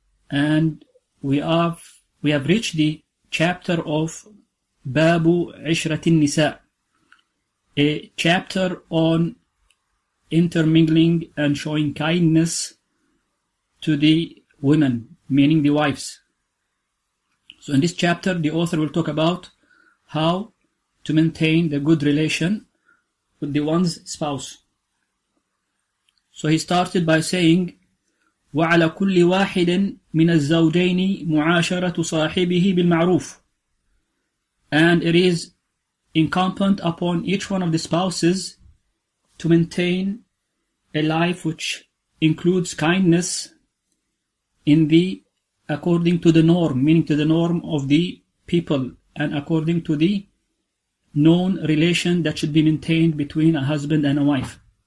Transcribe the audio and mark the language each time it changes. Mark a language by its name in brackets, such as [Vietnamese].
[English] And we have reached the chapter of Babu Ishratin Nisa, a chapter on intermingling and showing kindness to the women, meaning the wives. So in this chapter, the author will talk about how to maintain the good relation with the one's spouse. So he started by saying, [Arabic] وعلى كل واحد من الزوجين معاشرة صاحبه بالمعروف. [English] And it is incumbent upon each one of the spouses to maintain a life which includes kindness in the according to the norm, meaning to the norm of the people and according to the known relation that should be maintained between a husband and a wife.